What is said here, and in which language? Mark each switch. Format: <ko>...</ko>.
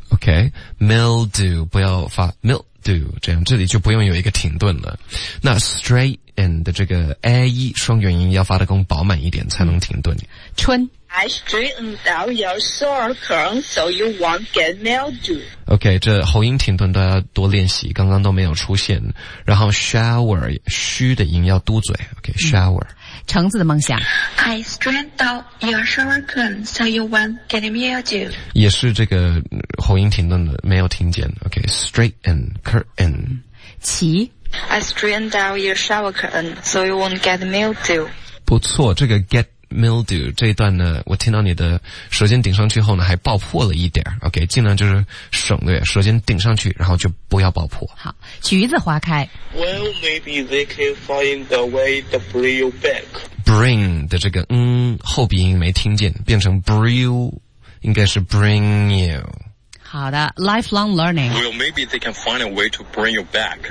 <zh>Okay,</zh> <en>mildew</en> <zh>不要发 mildew 这样，这里就不用有一个停顿了。那 straighten 的这个 a 一双元音要发得更饱满一点，才能停顿。春。</zh> <en>I straightened out your shower curtain so you won't get mildew.</en> <zh>Okay, 这喉音停顿都要多练习，刚刚都没有出现。然后 shower 虚的音要嘟嘴。</zh> <en>Okay, shower.</en> <zh>橙子的梦想。</zh> <en>I straightened out your shower curtain so you won't get mildew.</en> <zh>也是这个喉音停顿的，没有听见。</zh> <en>Okay, straighten curtain.</en> <zh>奇。</zh> <en>I straightened out your shower curtain so you won't get mildew.</en> <zh>不错，这个 get mildew 这一段呢，我听到你的舌尖顶上去后呢，还爆破了一点。 OK， 尽量就是省略，舌尖顶上去，然后就不要爆破。好，橘子花开。</zh> <en>Well, maybe they can find the way to bring you back.</en> <zh>Bring 的这个嗯后鼻音没听见，变成</zh> <en>bring you，</en> <zh>应该是 bring you。好的 ，</zh> <en>lifelong learning. Well, maybe they can find a way to bring you back.</en>